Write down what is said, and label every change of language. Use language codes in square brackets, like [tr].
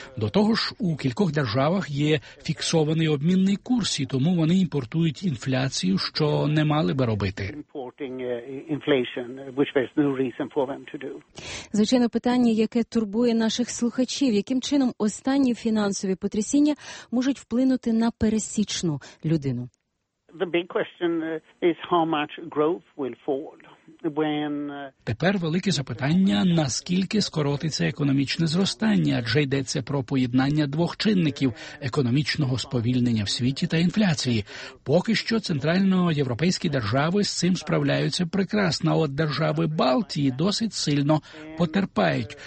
[uk] До того ж, у кількох державах є фіксований обмінний курс, і тому вони імпортують інфляцію, що не мали би робити. Звичайно, питання, яке турбує наших слухачів, яким чином останні фінансові потрясіння можуть вплинути на пересічну людину? [en] The big question is how much growth will fall. [uk] Тепер велике запитання, наскільки скоротиться економічне зростання, адже йдеться про поєднання двох чинників – економічного сповільнення в світі та інфляції. Поки що центрально-європейські держави з цим справляються прекрасно, от держави Балтії досить сильно потерпають.